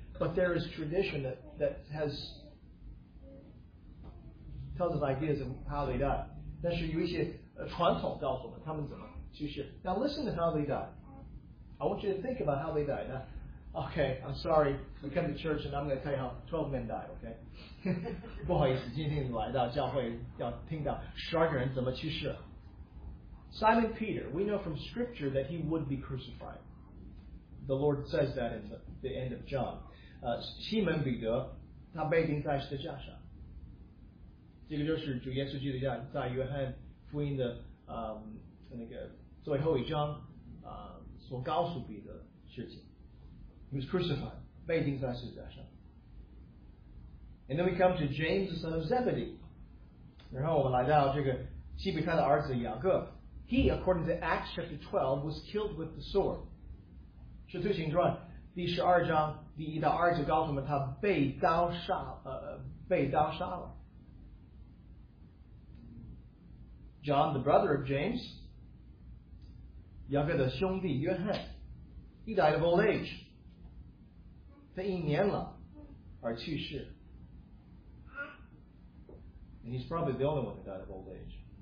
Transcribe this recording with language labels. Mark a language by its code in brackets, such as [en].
[en] But there is tradition that has tells us ideas of how they die. [zh] 但是有一些传统告诉我们他们怎么去学。 [en] Now listen to how they die. I want you to think about how they die. Now, okay, I'm sorry. We come to church and I'm going to tell you how 12 men died, okay? [zh] 不好意思，今天来到教会要听到12个人怎么去世。 [en] Simon Peter, we know from Scripture that he would be crucified. The Lord says that in the end of John. [zh] Simon Peter, 他被钉在十字架上。这个就是主耶稣基督在约翰福音的那个最后一章所告诉彼得的事情。 [en] He was crucified, [zh] 被钉在十字架上。 [en] And then we come to James, the son of Zebedee. [zh] 然后我们来到这个西比泰的儿子雅各。 [en] He, according to Acts chapter 12, was killed with the sword. [zh] 使徒行传第十二章第一到二节告诉我们他被刀杀了。 [en] John, the brother of James, [zh] 雅各的兄弟约翰 [en] he died of old age. [zh] 他一年了而去世。 [en] And he's probably the only one who died of old age.